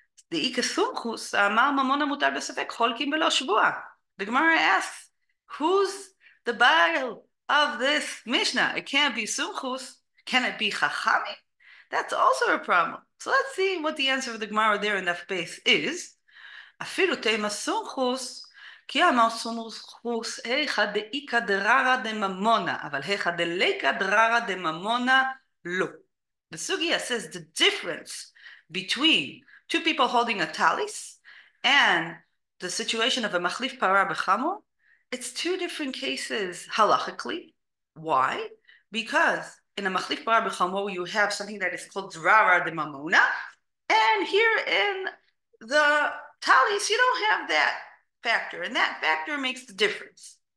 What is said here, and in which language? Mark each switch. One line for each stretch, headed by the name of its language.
Aramaic: The ikesumchus amar mamona mutar b'safek cholkim b'lo shvua.
English: The Gemara asks, who's the Baal of this Mishnah? It can't be Sumchus. Can it be Chachamim? That's also a problem. So let's see what the answer of the Gemara there in the base is.
Aramaic: אפילו תימא סומכוס, כי אמר סומכוס, היכא דאיכא דררא דממונא, אבל היכא דליכא דררא דממונא, לא.
English: The sugya says the difference between two people holding a talis and the situation of a machlif para b'chamor, it's two different cases halachically. Why? Because in a machlif para b'chamor, you have something that is called drara de mamona, and here in the talis, you don't have that factor, and that factor makes the difference.